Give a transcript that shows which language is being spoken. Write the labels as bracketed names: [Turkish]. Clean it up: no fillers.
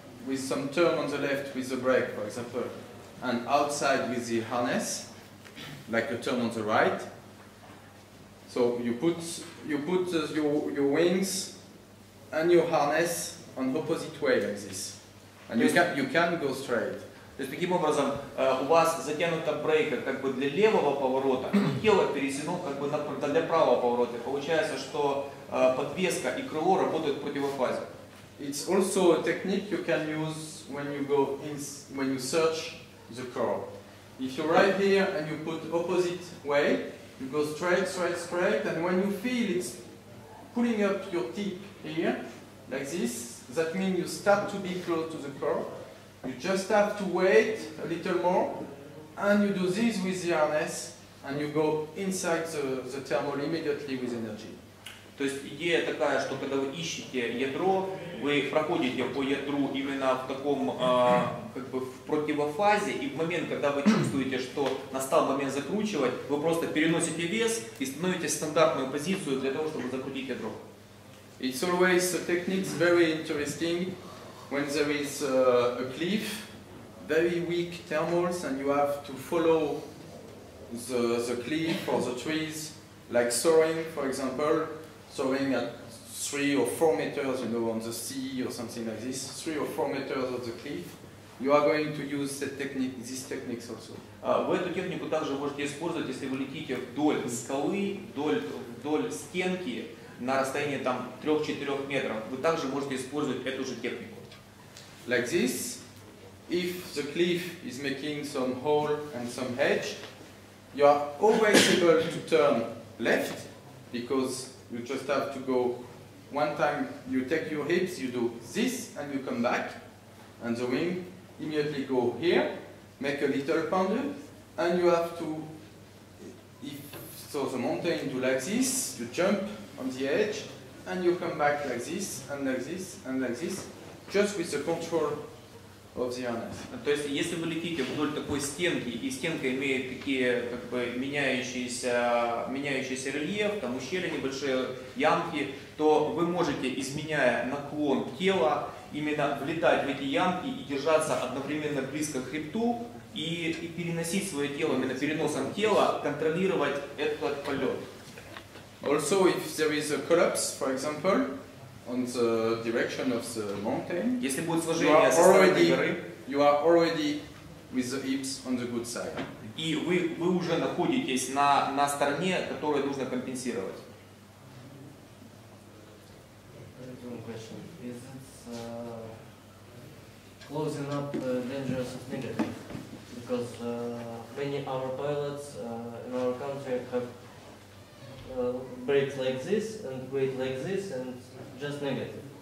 [English] with some turn on the left with the brake, for example, and outside with the harness, like a turn on the right. So you put your wings and your harness on opposite way like this, and you can go straight. [Russian] То есть таким образом у вас затянута брейка как бы для левого поворота, и тело перетянуто как бы для правого поворота. Получается, что подвеска и крыло работают в противофазе. [English] It's also a technique you can use when you go in when you search the curve. If you arrive here and you put opposite way, you go straight, straight, straight, and when you feel it's pulling up your tip here, like this, that means you start to be close to the curve. You just have to wait a little more, and you do this with the harness, and you go inside the thermal immediately with energy. [Russian] То есть идея такая, что когда вы ищете ядро, вы проходите по ядру именно в таком как бы в противофазе, и в момент, когда вы чувствуете, что настал момент закручивать, вы просто переносите вес и становитесь в стандартную позицию для того, чтобы закрутить ядро. [English] It's always a technique very interesting. When there is a cliff, very weak thermals, and you have to follow the cliff or the trees, like soaring, for example, soaring at 3 or 4 meters, you know, on the sea or something like this, 3 or 4 meters of the cliff, you are going to use that technique, these techniques also. [Russian] Вы эту технику также можете использовать, если вы летите вдоль скалы, вдоль стенки на расстоянии там 3-4 метров. Вы также можете использовать эту же технику. [English] Like this, if the cliff is making some hole and some edge, you are always able to turn left because you just have to go one time, you take your hips, you do this and you come back and the wing immediately go here, make a little pendule and you have to, if so the mountain do like this, you jump on the edge and you come back like this and like this and like this. Just with the control of the harness. [Russian] То есть, если вы летите вдоль такой стенки, и стенка имеет такие как бы меняющийся рельеф, там ущелья небольшие, ямки, то вы можете, изменяя наклон тела, именно влетать в эти ямки и держаться одновременно близко к хребту и переносить свое тело, именно переносом тела, контролировать этот полет. [English] Also, if there is a collapse, for example, on the direction of the mountain, you are already with the hips on the good side. [Russian] И вы уже находитесь на стороне, которую нужно компенсировать. [English] I have one question. Is it closing up the dangers of negative? Because many our pilots in our country have brake like this and brake like this and just negative.